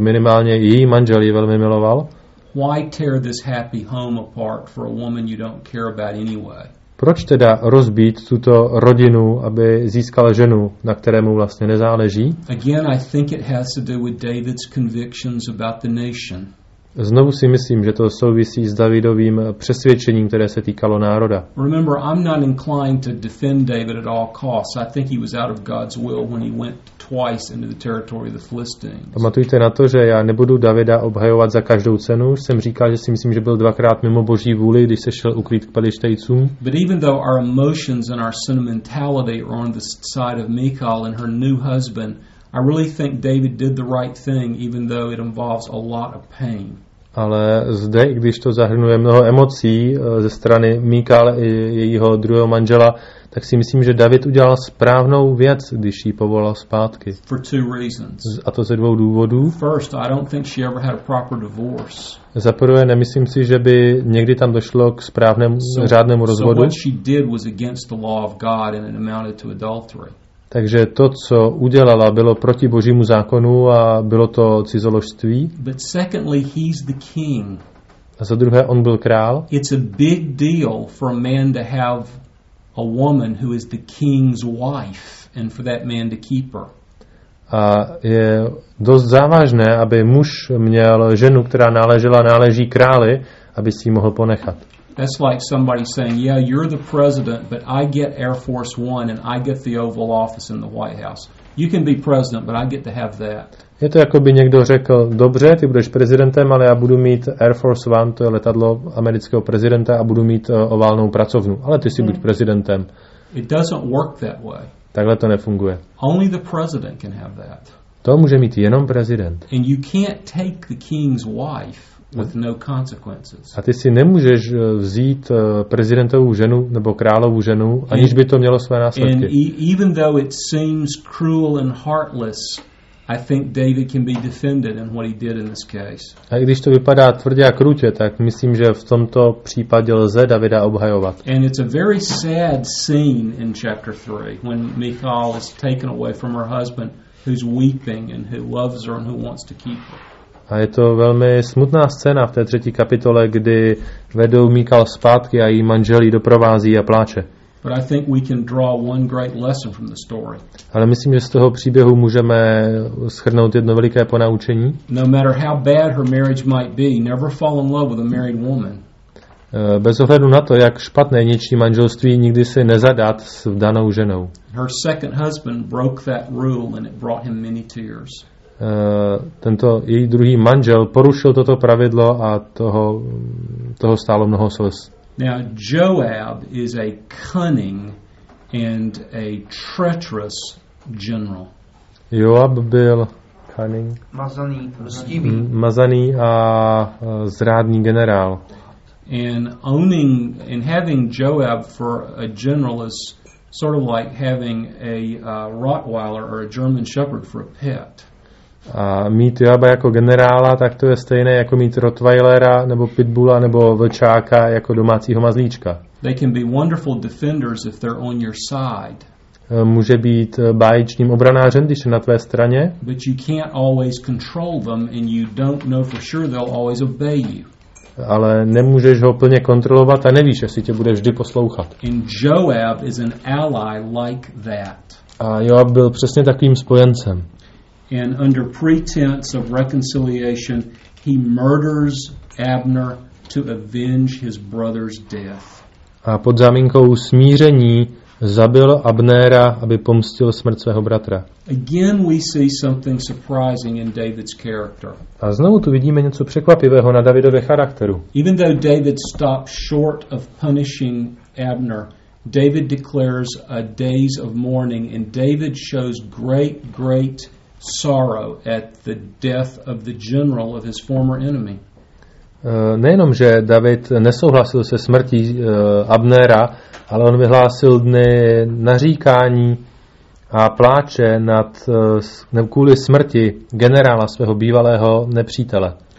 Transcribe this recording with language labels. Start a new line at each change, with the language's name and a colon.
Czech: Minimálně její manžel ji velmi miloval.
English: Why tear this happy home apart for a woman you don't care about anyway?
Czech: Proč teda rozbít tuto rodinu, aby získala ženu, na které mu vlastně nezáleží?
English: Again, I think it has to do with David's convictions about the nation.
Czech: Znovu si myslím, že to souvisí s Davidovým přesvědčením, které se týkalo národa.
English: Remember, I'm not inclined to defend David at all costs. I think he was out of God's will when he went twice into the territory of the Philistines.
Czech: Pamatujte na to, že já nebudu Davida obhajovat za každou cenu. Jsem říkal, že si myslím, že byl dvakrát mimo Boží vůli, když se šel ukrýt k Pelištejcům.
English: But even though our emotions and our sentimentality are on the side of Michal and her new husband, I really think David did the right thing, even though it involves a lot of pain.
Czech: Ale zde, když to zahrnuje mnoho emocí ze strany Michal i jejího druhého manžela, tak si myslím, že David udělal správnou věc, když ji povolal zpátky.
English: For two reasons.
Czech: A to ze dvou důvodů.
English: First, I don't think she ever had a proper divorce.
Czech: Za prvé, nemyslím si, že by někdy tam došlo k správnému řádnému rozvodu.
English: So what she did was against the law of God, and it amounted to adultery.
Czech: Takže to, co udělala, bylo proti Božímu zákonu a bylo to cizoložství.
English: But secondly, he's the king.
Czech: A za druhé, on byl král.
English: It's a big deal for a man to have a woman who is the king's wife and for that man to keep her.
Czech: A je dost závažné, aby muž měl ženu, která náleží králi, aby si ji mohl ponechat.
English: That's like somebody saying, yeah, you're the president, but I get Air Force One and I get the Oval Office in the White House. You can be president, but I get to have that.
Czech: Je to jako by někdo řekl, dobře, ty budeš prezidentem, ale já budu mít Air Force One, to je letadlo amerického prezidenta, a budu mít oválnou pracovnu, ale ty si buď prezidentem.
English: It doesn't work that way.
Czech: Takhle to nefunguje.
English: Only the president can have that.
Czech: To může mít jenom prezident.
English: And you can't take the king's wife. With no consequences.
Czech: A ty si nemůžeš vzít prezidentovou ženu nebo královou ženu, aniž by to mělo své následky.
English: And even though it seems cruel and heartless, I think David can be defended in what he did in this case.
Czech: A když to vypadá tvrdě a krutě, tak myslím, že v tomto případě lze Davida obhajovat.
English: And it's a very sad scene in chapter 3 when Michal is taken away from her husband who's weeping and who loves her and who wants to keep her.
Czech: A je to velmi smutná scéna v té třetí kapitole, kdy vedou Michal zpátky a její manžel ji doprovází a pláče.
English: But I think we can draw one great lesson from the story.
Czech: Ale myslím, že z toho příběhu můžeme shrnout jedno veliké ponaučení.
English: No matter how bad her marriage might be, never fall in love with a married woman.
Czech: Bez ohledu na to, jak špatné je něčí manželství, nikdy se nezadat s vdanou ženou.
English: Her second husband broke that rule and it brought him many tears.
Czech: tento její druhý manžel porušil toto pravidlo a toho stálo mnoho slz.
English: Now Joab is a cunning and a treacherous general.
Czech: Joab byl
English: cunning,
Czech: mazaný a zrádný generál.
English: And owning and having Joab for a general is sort of like having a Rottweiler or a German Shepherd for a pet.
Czech: A mít Joaba jako generála, tak to je stejné jako mít Rottweilera nebo Pitbulla nebo vlčáka jako domácího mazlíčka.
English: They can be wonderful defenders if they're on your side.
Czech: Může být báječným obranářem, když je na tvé straně.
English: But you can't always control them and you don't know for sure they'll always obey you.
Czech: Ale nemůžeš ho plně kontrolovat a nevíš, jestli tě bude vždy poslouchat.
English: And Joab is an ally like that.
Czech: A Joab byl přesně takovým spojencem.
English: And under pretense of reconciliation, he murders Abner to avenge his brother's death.
Czech: A pod záminkou smíření zabil Abnéra, aby pomstil smrt svého bratra.
English: Again we see something surprising in David's character.
Czech: A znovu tu vidíme něco překvapivého na Davidově charakteru.
English: Even though David stopped short of punishing Abner, David declares a days of mourning, and David shows great, great sorrow at the death of the general of his former enemy.
Czech: Nejenom, že David nesouhlasil se smrtí Abnera, ale on vyhlásil dny naříkání a pláče nad kvůli smrti generála svého bývalého nepřítele.